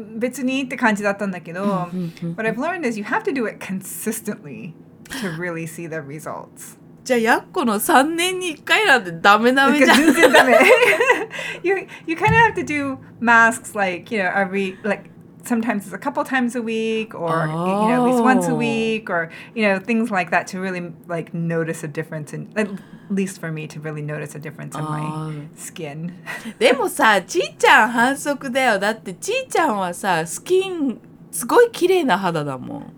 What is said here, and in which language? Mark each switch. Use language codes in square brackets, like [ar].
[en] What I've learned is you have to do it consistently to really see the results. [ja] じゃあヤッコの3年に1回なんてダメダメじゃん。全然ダメ。 [en] you kind of have to do masks like, you know, every, like, sometimes it's a couple times a week or, you know, at least once a week or, you know, things like that to really, like, notice a difference in, at least for me, to really notice a difference in my skin. [ja] でもさ、ちーちゃん反則だよ。だってちーちゃんはさ、スキン、すごい綺麗な肌だもん。